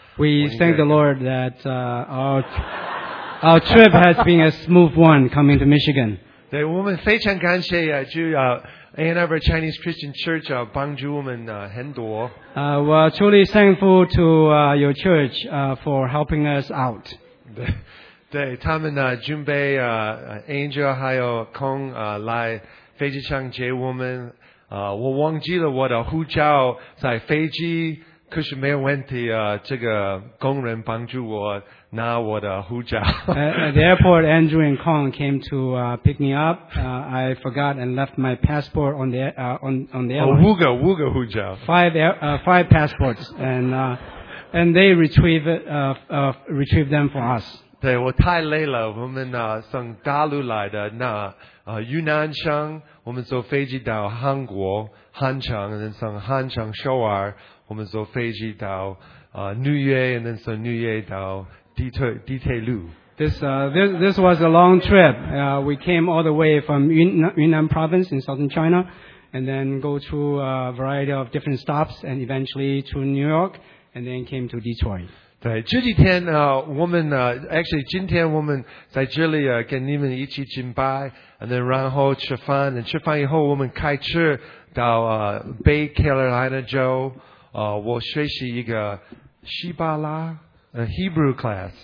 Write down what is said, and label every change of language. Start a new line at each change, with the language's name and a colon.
English: we thank the Lord that our trip has been a smooth one coming to Michigan
Chinese: 对我们非常感谢主Ann Arbor Chinese Christian Church 帮助我们很多我
English: truly thankful to your church for helping us out
Chinese: 对他们准备Angel 还有 Kong 来飞机上接我们我忘记了我的护照在飞机可是没有问题这个工人帮助我拿我的护照。
English: At the airport, Andrew and Kong came to pick me up. I forgot and left my passport on the airline.
Chinese: 五个护照。
English: Five passports. And they retrieve them for us.
Chinese: 对我太累了我们从大陆来的那云南省我们坐飞机到韩国汉城然后从汉城首尔我们坐飞机到纽约然后从纽约到底特律。
English: This was a long trip. We came all the way from Yunnan province in southern China and then go through a variety of different stops and eventually to New York and then came to Detroit.
Chinese: 对这几天我们
English: actually
Chinese: 今天我们在这里跟你们一起敬拜
English: and then
Chinese: 然后吃饭
English: and
Chinese: 吃饭以后我们开车到北 Carolina 州我学习一个希伯拉
English: Hebrew class.